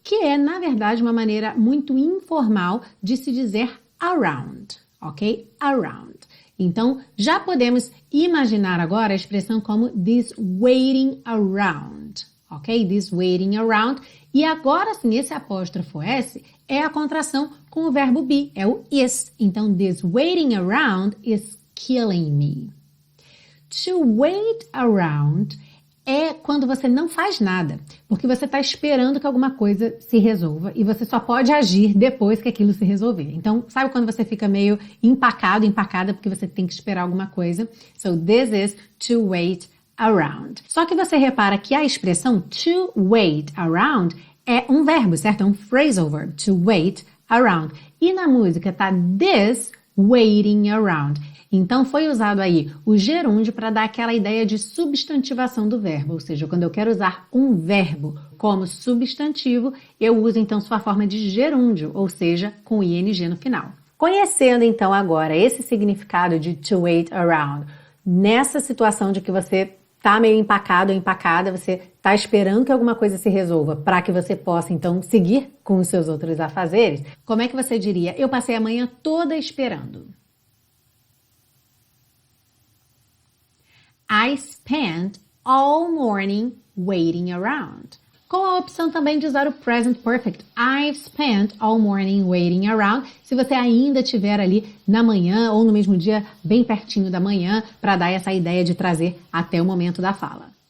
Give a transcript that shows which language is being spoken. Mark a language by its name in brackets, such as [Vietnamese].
[Portuguese] Que é, na verdade, uma maneira muito informal de se dizer around, ok? Around. Então, já podemos imaginar agora a expressão como [English] "this waiting around." [Portuguese] Ok? [English] This waiting around. [Portuguese] E agora sim, esse apóstrofo S é a contração com o verbo be, é o is. [English] Então, this waiting around is killing me. [Portuguese] To wait around é quando você não faz nada, porque você está esperando que alguma coisa se resolva e você só pode agir depois que aquilo se resolver. Então, sabe quando você fica meio empacado, empacada, porque você tem que esperar alguma coisa? [English] So, this is to wait around. [Portuguese] Só que você repara que a expressão to wait around é um verbo, certo? É um phrasal verb, to wait around. E na música tá this waiting around. Então foi usado aí o gerúndio para dar aquela ideia de substantivação do verbo, ou seja, quando eu quero usar um verbo como substantivo, eu uso então sua forma de gerúndio, ou seja, com ing no final. Conhecendo então agora esse significado de to wait around, nessa situação de que você tá meio empacado ou empacada, você tá esperando que alguma coisa se resolva para que você possa então seguir com os seus outros afazeres. Como é que você diria? Eu passei a manhã toda esperando. [English] I spent all morning waiting around. [Portuguese] Com a opção também de usar o present perfect. [English] I've spent all morning waiting around. [Portuguese] Se você ainda estiver ali na manhã ou no mesmo dia, bem pertinho da manhã, para dar essa ideia de trazer até o momento da fala.